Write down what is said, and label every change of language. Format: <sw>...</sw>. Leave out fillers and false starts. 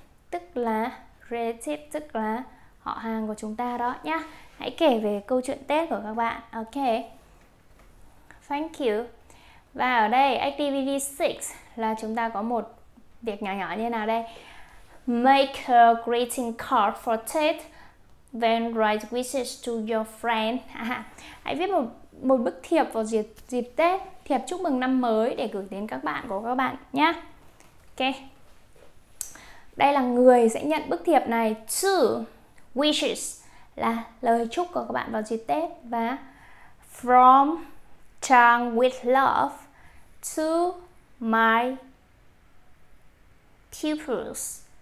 <vi>Tức là họ hàng của chúng ta đó nhá. Hãy kể về câu chuyện Tết của các bạn. Ok. Thank you. Và ở đây activity 6 là chúng ta có một việc nhỏ nhỏ như nào đây.</vi> <en>Make a greeting card for Tết, then write wishes to your friend.</en> <vi>Hãy viết một bức thiệp vào dịp Tết, thiệp chúc mừng năm mới để gửi đến các bạn của các bạn nhé. Ok. Đây là người sẽ nhận bức thiệp này. To wishes là lời chúc của các bạn vào dịp Tết.</vi> <en>Và from Chang with love to my pupils.</en>